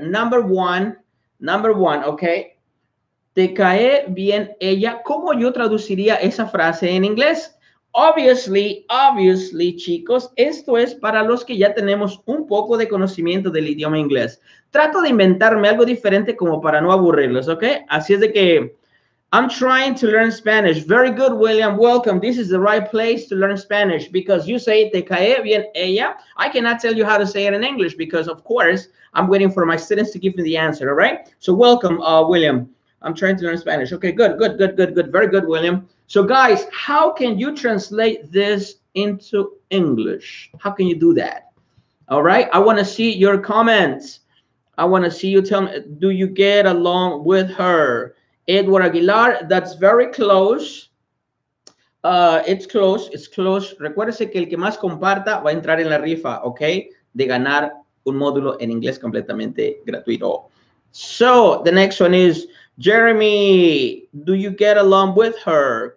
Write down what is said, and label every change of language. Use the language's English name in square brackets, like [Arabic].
[English] Number one, [Spanish] ¿ok? ¿Te cae bien ella? ¿Cómo yo traduciría esa frase en inglés? Obviously, chicos, esto es para los que ya tenemos un poco de conocimiento del idioma inglés. Trato de inventarme algo diferente como para no aburrirlos, ¿ok? Así es de que, [English] I'm trying to learn Spanish. Very good, William. Welcome. This is the right place to learn Spanish because you say, [Spanish] te cae bien ella. [English] I cannot tell you how to say it in English because, of course, I'm waiting for my students to give me the answer, all right? So, welcome, William. I'm trying to learn Spanish. Okay, good. Very good, William. So, guys, how can you translate this into English? How can you do that? All right? I want to see your comments. I want to see you tell me, do you get along with her? Edward Aguilar, that's very close. It's close. [Spanish] Recuérdese que el que más comparta va a entrar en la rifa, okay? De ganar un módulo en inglés completamente gratuito. [English] So, the next one is, Jeremy, do you get along with her?